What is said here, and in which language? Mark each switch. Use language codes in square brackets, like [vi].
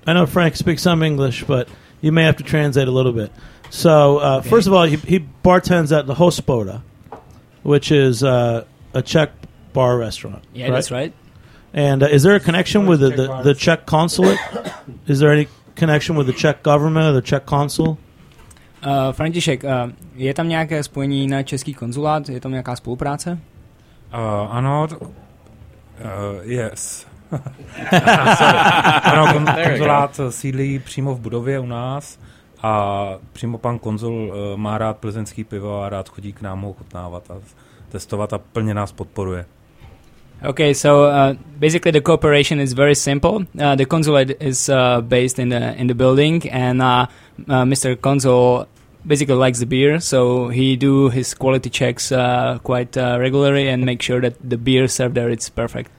[en] I know Frank speaks some English, but you may have to translate a little bit. So, okay. First of all, he bartends at the Hospoda, which is a Czech bar restaurant. Yeah, right? That's right. And is there a connection with the Czech consulate? Is there any connection with the Czech government or the Czech consul? [cs] František, je tam nějaké spojení na český konzulát? Je tam nějaká spolupráce? Ano. [en] Yes. [cs] Ano, konzulát sídlí přímo v budově u nás a přímo pan konzul má rád plzeňský pivo a rád chodí k nám ho ochutnávat a testovat a plně nás podporuje. [en] Okay, so basically the cooperation is very simple. The consulate is based in the building and Mr. Consul basically likes the beer, so he do his quality checks quite regularly and make sure that the beer served there is perfect.